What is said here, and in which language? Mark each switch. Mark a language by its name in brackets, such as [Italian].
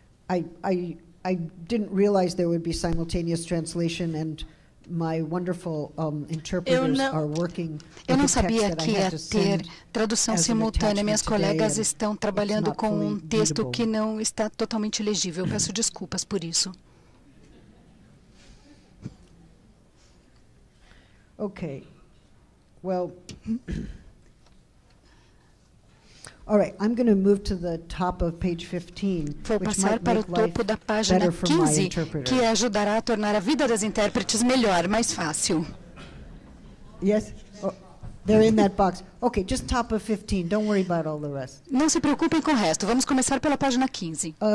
[English] I didn't realize there would be simultaneous translation and my wonderful interpreters are working. [Portuguese] Eu não sabia que ia ter tradução simultânea. Minhas colegas estão trabalhando com um texto que não está totalmente legível. Peço desculpas por isso. [English] Okay. Well, All right, I'm going to move to the top of page 15, [Portuguese] vou passar para o topo da página 15, que ajudará a tornar a vida das intérpretes melhor, mais fácil. [English] Yes. They're in that box. Okay, just top of 15. Don't worry about all the rest. [Portuguese] Não se preocupem com o resto. Vamos começar pela página 15.